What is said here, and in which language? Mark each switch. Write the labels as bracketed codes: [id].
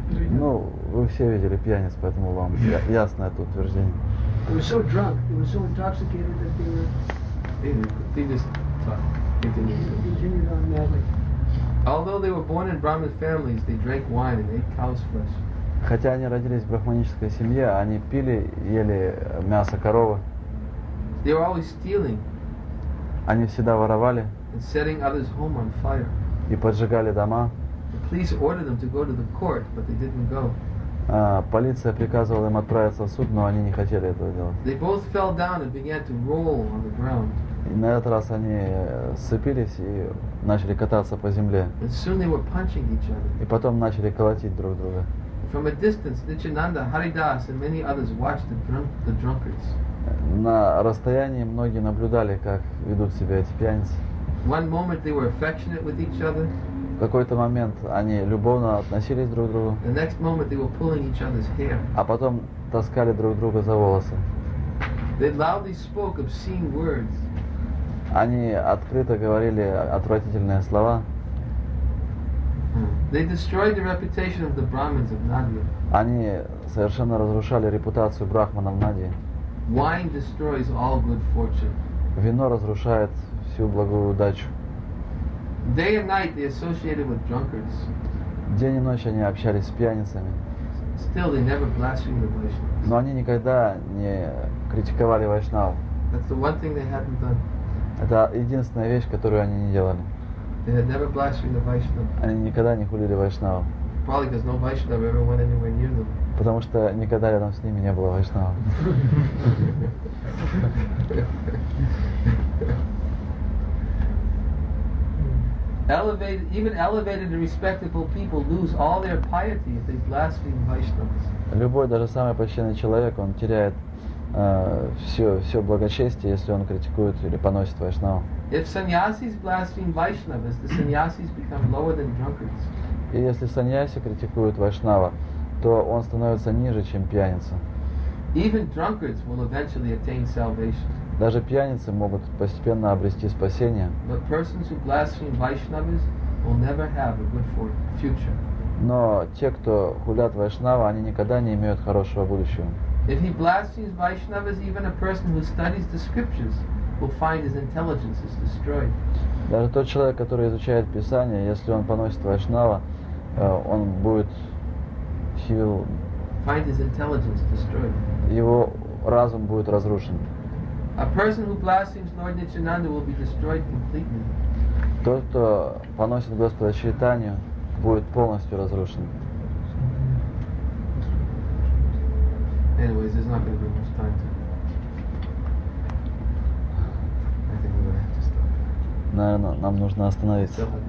[ru] Ну, вы все видели пьяниц, поэтому вам ясно это утверждение. [en] They were so drunk, they were so intoxicated that they were... They just continued on madly. Although they were born in Brahmin families, they drank wine and ate cow's flesh. [ru] Хотя они родились в брахманической семье, они пили, ели мясо коровы. [en] They were always stealing. [ru] Они всегда воровали. [en] And setting others' home on fire. [ru] И поджигали дома. [en] Police ordered them to go to the court, but they didn't go. [ru] Полиция приказывала им отправиться в суд, но они не хотели этого делать. [en] They both fell down and began to roll on the ground. [ru] И на этот раз они сцепились и начали кататься по земле. [en] And soon they were punching each other. [ru] И потом начали колотить друг друга. [en] From a distance, Nityananda, Haridas, and many others watched the drunkards. [ru] На расстоянии многие наблюдали, как ведут себя эти пьяницы. [en] One moment they were affectionate with each other. [ru] В какой-то момент они любовно относились друг к другу. [en] The next moment they were pulling each other's hair. [ru] А потом таскали друг друга за волосы. [en] They loudly spoke obscene words. [ru] Они открыто говорили отвратительные слова. [en] They destroyed the reputation of the Brahmins of Nadia. [ru] Они совершенно разрушали репутацию брахманов Нади. [en] Wine destroys all good fortune. [ru] Вино разрушает всю благую удачу. [en] Day and night they associated with drunkards. [ru] День и ночь они общались с пьяницами. [en] Still they never blasphemed the Vaishnavas. [ru] Но они никогда не критиковали вайшнав. [en] That's the one thing they hadn't done. [ru] Это единственная вещь, которую они не делали. [en] They had never blasphemed the Vaishnavas. [ru] Они никогда не хулили вайшнава. [en] Probably because no Vaishnava ever went anywhere near them. [ru] Потому что никогда рядом с ними не было вайшнава. [en] Even elevated and respectable people lose all their piety if they blaspheme Vaishnavas. [ru] Любой, даже самый почтенный человек, он теряет все благочестие, если он критикует или поносит вайшнава. [en] If sannyasis blaspheme Vaishnavas, the sannyasis become lower than drunkards. [ru] И если саньяси критикуют вайшнава, то он становится ниже, чем пьяница. [en] Even drunkards will eventually attain salvation. [ru] Даже пьяницы могут постепенно обрести спасение. [en] But persons who blaspheme Vaishnavas will never have a good future. [ru] Но те, кто хулят вайшнава, они никогда не имеют хорошего будущего. [en] If he blasphemes Vaishnavas, even a person who studies the scriptures will find his intelligence is destroyed. [ru] Даже тот человек, который изучает Писание, если он поносит вайшнава, он будет... [en] Find his intelligence destroyed. [ru] Его разум будет разрушен. [en] A person who blasphemes Lord Nityananda will be destroyed completely. [ru] Тот, кто поносит Господа Чайтанью, будет полностью разрушен. [en] Anyways, there's not going to be much time to... I think we're going to have to stop. [ru] Наверное, нам нужно остановиться.